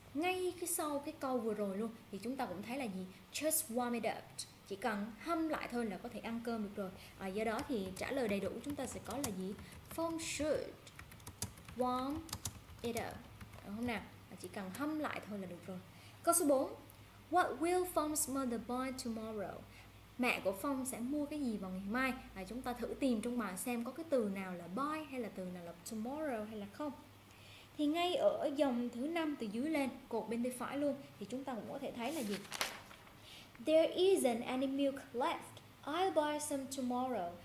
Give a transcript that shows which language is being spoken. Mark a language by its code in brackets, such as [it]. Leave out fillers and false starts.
[vi] Ngay cái sau cái câu vừa rồi luôn thì chúng ta cũng thấy là gì? [en] Just warm it up. [vi] Chỉ cần hâm lại thôi là có thể ăn cơm được rồi. Do đó thì trả lời đầy đủ chúng ta sẽ có là gì? [en] Phong should warm it up. [vi] Đúng không nào? Chỉ cần hâm lại thôi là được rồi. Câu số 4, [en] what will Phong's mother buy tomorrow? [vi] Mẹ của Phong sẽ mua cái gì vào ngày mai? Chúng ta thử tìm trong bài xem có cái từ nào là buy hay là từ nào là tomorrow hay là không. Thì ngay ở dòng thứ 5 từ dưới lên, cột bên tay phải luôn, thì chúng ta cũng có thể thấy là gì? [en] There isn't any milk left. I'll buy some tomorrow.